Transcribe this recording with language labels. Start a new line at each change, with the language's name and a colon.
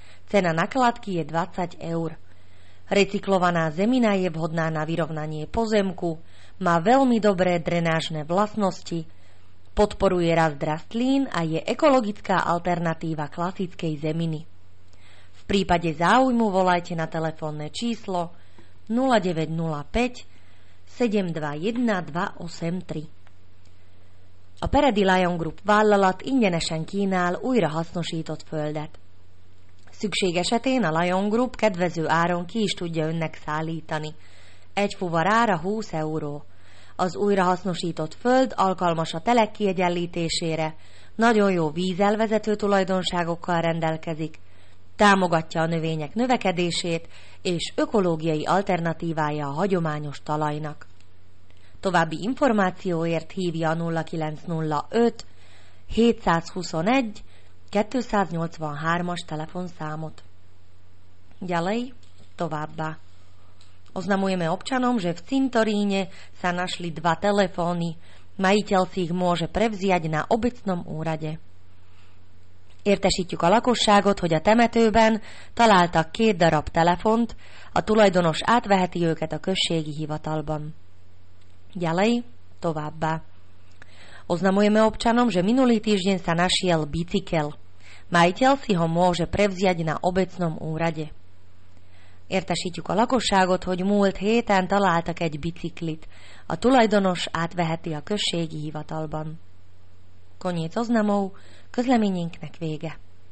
Slovak: Cena nakládky je 20 eur. Recyklovaná zemina je vhodná na vyrovnanie pozemku, má veľmi dobré drenážne vlastnosti, podporuje rast rastlín a je ekologická alternatíva klasickej zeminy. V prípade záujmu volajte na telefónne číslo 0905 721 283.
Hungarian: A Peredi Lion Group vállalat ingyenesen kínál újra hasznosított földet. Szükség esetén a Lion Group kedvező áron ki is tudja önnek szállítani. Egy fuvar ára 20 euró. Az újrahasznosított föld alkalmas a telek kiegyenlítésére, nagyon jó vízelvezető tulajdonságokkal rendelkezik, támogatja a növények növekedését, és ökológiai alternatívája a hagyományos talajnak. További információért hívja a 0905 721 283-as telefonszámot.
Slovak: Ďalej,
Hungarian: továbbá.
Slovak: Oznamujeme občanom, že v cintoríne sa našli dva telefóny. Majiteľ si ich môže prevziať na obecnom úrade.
Hungarian: Értesítjük a lakosságot, hogy a temetőben találtak két darab telefont, a tulajdonos átveheti őket a községi hivatalban.
Slovak: Ďalej,
Hungarian: továbbá.
Slovak: Oznamujeme občanom, že minulý týždeň sa našiel bicykel. Majiteľ si ho môže prevziať na obecnom úrade.
Hungarian: Értesítjük a lakosságot, hogy múlt héten találtak egy biciklit. A tulajdonos átveheti a községi hivatalban.
Slovak: Koniec oznamov,
Hungarian: közleményünknek vége.